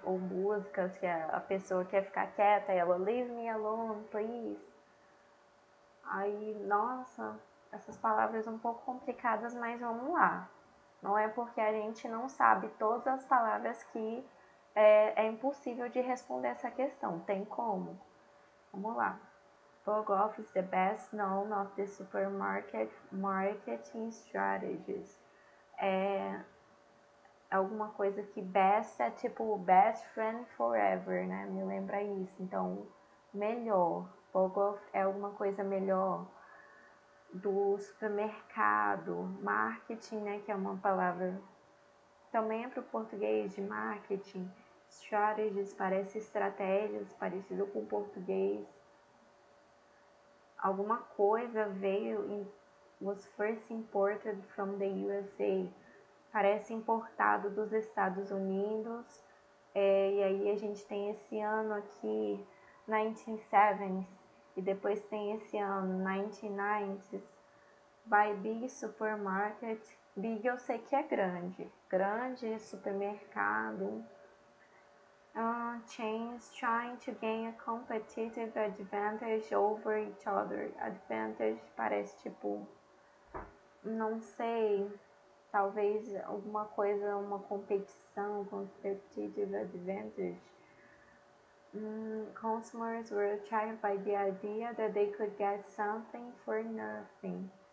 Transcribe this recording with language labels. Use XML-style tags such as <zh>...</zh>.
<pt>Ou músicas que a pessoa quer ficar quieta e ela,</pt> <en>leave me alone, please.</en> <pt>Aí, nossa, essas palavras um pouco complicadas, mas vamos lá. Não é porque a gente não sabe todas as palavras que é impossível de responder essa questão. Tem como? Vamos lá.</pt> <en>Bogoff is the best known of the supermarket marketing strategies.</en> <pt>É alguma coisa que best é tipo</pt> <en>best friend forever,</en> <pt>né? Me lembra isso. Então, melhor. Bogoff é alguma coisa melhor do supermercado. Marketing, né? Que é uma palavra também é para o português de marketing. Strategies parece estratégias, parecido com português. Alguma coisa veio,</pt> <en>was first imported from the USA.</en> <pt>Parece importado dos Estados Unidos. E aí a gente tem esse ano aqui, 1970s. E depois tem esse ano, 1990s.</pt> <en>By Big Supermarket.</en> <pt>Big eu sei que é grande. Grande supermercado.</pt> <en>Chains trying to gain a competitive advantage over each other.</en> <pt>Advantage parece tipo, não sei, talvez alguma coisa, uma competição,</pt> <en>competitive advantage. Consumers were attracted by the idea that they could get something for nothing.</en>